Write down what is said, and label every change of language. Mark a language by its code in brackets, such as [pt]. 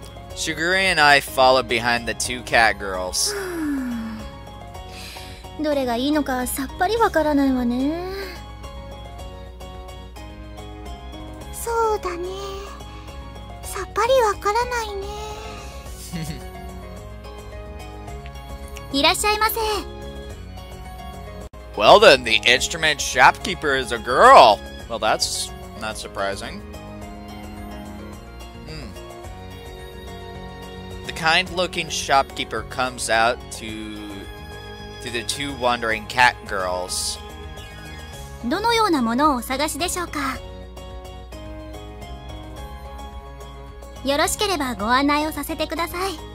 [en] Shigure and I followed behind the two cat girls. [ja] どれがいいのかさっぱりわからないわね。そうだね、さっぱりわからないね。いらっしゃいませ。 [en] Well then, the instrument shopkeeper is a girl. Well, that's not surprising. The kind-looking shopkeeper comes out to the two wandering cat girls. [ja] どのようなものをお探しでしょうか？よろしければご案内をさせてください。